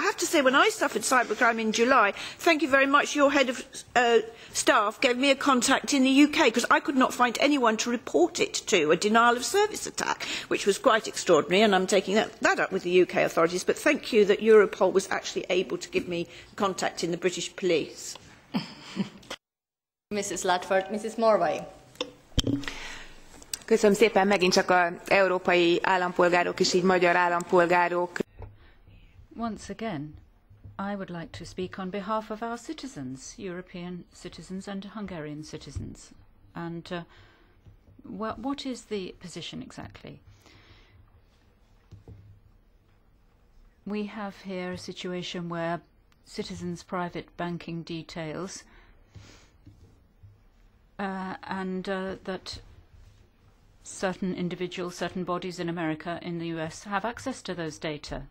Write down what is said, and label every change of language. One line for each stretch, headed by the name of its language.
English: I have to say, when I suffered cybercrime in July, thank you very much, your head of staff gave me a contact in the UK, because I could not find anyone to report it to, a denial of service attack, which was quite extraordinary, and I'm taking that up with the UK authorities. But thank you that Europol was actually able to give me contact in the British police. Mrs. Ludford, Mrs. Morvay.
Hungarian: Köszönöm szépen, megint csak az európai állampolgárok és így magyar állampolgárok.
English: Once again, I would like to speak on behalf of our citizens, European citizens and Hungarian citizens. And what is the position exactly? We have here a situation where citizens' private banking details that certain individuals, certain bodies in America, in the US, have access to those data.